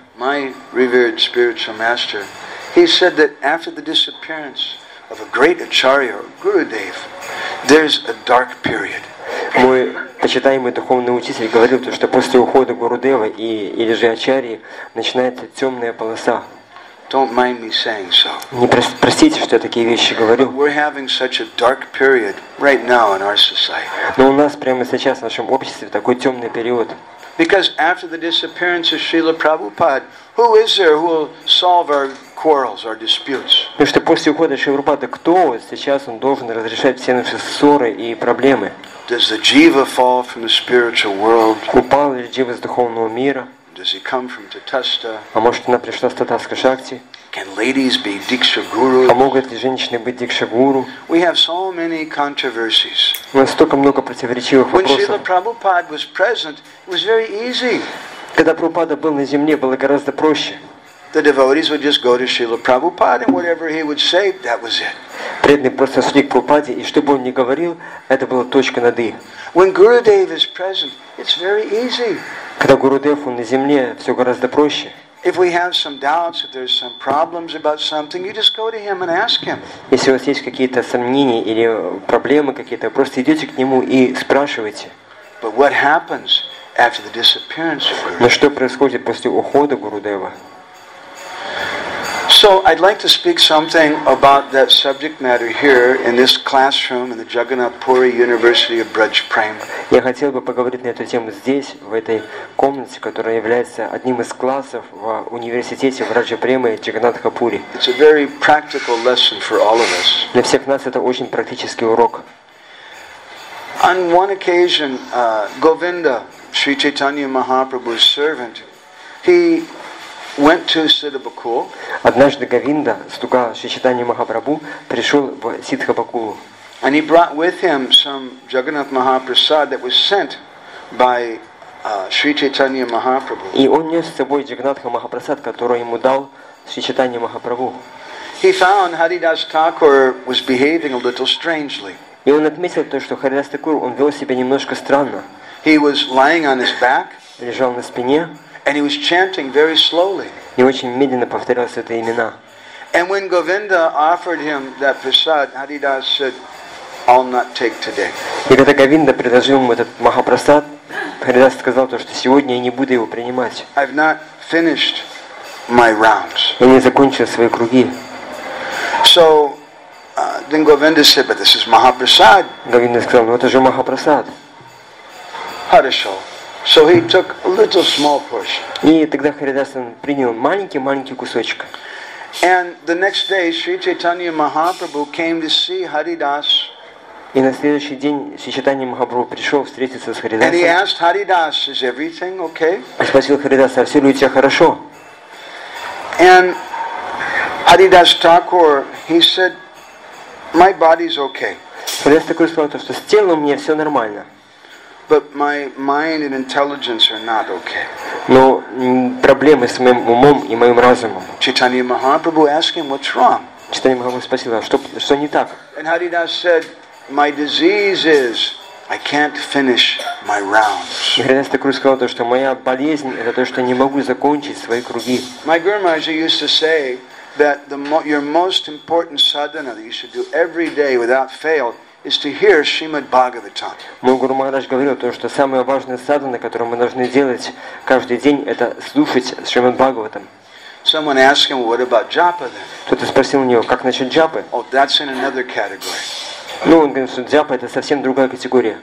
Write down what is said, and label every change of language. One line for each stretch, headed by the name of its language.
Russian: Мой уважаемый спиритический мастер, он сказал, что после исчезновения
English: of a great acharya, Gurudev, there's a dark period.
Russian: Мой почитаемый духовный учитель говорил, что после ухода Гурудева или же ачарьи начинается темная полоса.
English: Don't mind me saying so.
Russian: Не простите, что я такие вещи говорю.
English: But we're having such a dark period right now in our society.
Russian: Но у нас прямо сейчас в нашем обществе такой темный период.
English: Because after the disappearance of Srila Prabhupada, who is there who will solve our quarrels, our disputes?
Russian: Потому что после ухода Шри Прабхупады, кто сейчас он должен разрешать все наши ссоры и проблемы?
English: Does the jiva fall from the spiritual world?
Russian: Упал ли джива с духовного мира?
English: Does he come from Tathasta?
Russian: А может она пришла с Татаска Шакти?
English: Can ladies be Diksha Gurus?
Russian: А могут ли женщины быть Дикша Гуру?
English: We have so many controversies.
Russian: У нас столько много противоречивых вопросов.
English: When Srila Prabhupada was present, it was very easy.
Russian: Когда Прабхупада был на земле, было гораздо проще.
English: The devotees would just go to Srila Prabhupada and whatever he would say, that was it.
Russian: Преданные просто шли к Прабхупаде, и что бы он ни говорил, это была точка над «и».
English: When Gurudev is present, it's very easy.
Russian: Когда Гурудев, он на земле, все гораздо проще.
English: If we have some doubts, if there's some problems about something, you just go to him and ask him.
Russian: Если у вас есть какие-то сомнения или проблемы какие-то, просто идете к нему и спрашивайте.
English: But what happens after the disappearance of Gurudev?
Russian: Но что происходит после ухода Гурудева?
English: So I'd like to speak something about that subject matter here in this classroom in the Jagannath Puri University of Braj Prem.
Russian: Я хотел бы поговорить на эту тему здесь, в этой комнате, которая является одним из классов в университете Браджа Премы Джаганнатха Пури.
English: It's a very practical lesson for all of us.
Russian: Для всех нас это очень практический урок.
English: On one occasion, Govinda, Sri Chaitanya Mahaprabhu's servant, he went to Siddha Bakul.
Russian: Однажды Говинда, слуга Шри Чайтаньи Махапрабху, пришел в Сиддха Бакулу.
English: And he brought with him some Jagannath Mahaprasad that was sent by Sri Chaitanya Mahaprabhu.
Russian: И он нес с собой Джагнатха Махапрасад, который ему дал Шри Чайтанья Махапрабху.
English: He found Haridas Thakur was behaving a little strangely.
Russian: И он отметил то, что Харидас Такур он вел себя немножко странно.
English: He was lying on his back.
Russian: Лежал на спине.
English: And he was chanting very slowly.
Russian: И очень медленно повторялось это имена.
English: And when Govinda offered him that prasad, Haridas said, "I'll not take today."
Russian: И когда Говинда предложил ему этот махапрасад, Харидас сказал то, что сегодня я не буду его принимать.
English: I've not finished my rounds.
Russian: Я не закончил свои круги.
English: So then Govinda said, "But this is махапрасад."
Russian: Говинда сказал, "Но это же махапрасад." Хорошо.
English: So he took a little small portion.
Russian: И тогда Харидас принял маленький кусочек.
English: And the next day, Sri Chaitanya Mahaprabhu came to see Haridas.
Russian: И на следующий день Sri Chaitanya Mahaprabhu пришел встретиться с Харидасом.
English: And he asked Haridas, "Is everything okay?"
Russian: И спросил Харидаса, "Все ли у тебя хорошо?"
English: And Haridas Thakur, he said, "My body's okay."
Russian: Харидас Такур сказал, что с телом у меня все нормально.
English: But my mind and intelligence are not okay.
Russian: Но проблемы с моим умом и моим разумом.
English: Chaitanya Mahaprabhu asked him, "What's wrong?"
Russian: Chaitanya Mahaprabhu спросил, что не так?
English: And Haridas said, "My disease is I can't finish my rounds."
Russian: И Харидас Такур сказал то, что моя болезнь это то, что не могу закончить свои круги.
English: My Gurumaji used to say that your most important sadhana that you should do every day without fail is to hear Srimad Bhagavatam.
Russian: Мой Гуру Махарадж говорил, что самое важное садхана, которое мы должны делать каждый день, это слушать Шримад Бхагаватам.
English: Someone asked him, "What about japa then?"
Russian: Кто-то спросил у него, как насчет джапы?
English: Oh, that's in another category.
Russian: Ну, он говорит, что джапа это совсем другая категория.